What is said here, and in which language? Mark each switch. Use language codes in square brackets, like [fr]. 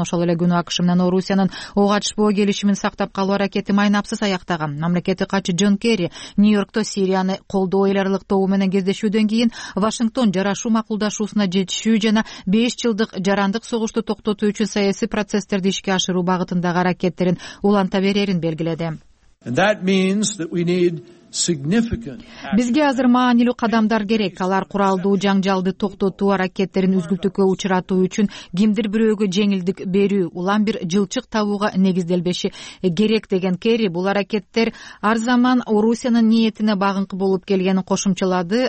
[ky] Ошол эле күнү АКШ менен Орусиянын ок атышпоо келишимин сактап калуу аракети майнапсыз аяктаган. Мамлекеттик катчы Джон Керри Нью-Йоркто Сирияны колдоо элдерлик тобу менен кездешүүдөн кийин Вашингтон жарашуу макулдашуусуна жетишүү жана 5 жылдык жарандык согушту токтотуу үчүн саясий процесстерди ишке ашыруу багытындагы аракеттерин уланта берерин белгиледи. [en] And that means that we need significant. [ky] Бизге азыр маанилүү кадамдар керек. Алар куралдуу жаңжалды токтотуу аракеттерин үзгүлтүккө учуратуу үчүн кимдир бирөөгө жеңилдик берүү, улам бир жылчык табууга негизделбеши керек деген Керри. Бул аракеттер ар заман Орусиянын ниетине багынкы болуп келгенин кошумчалады.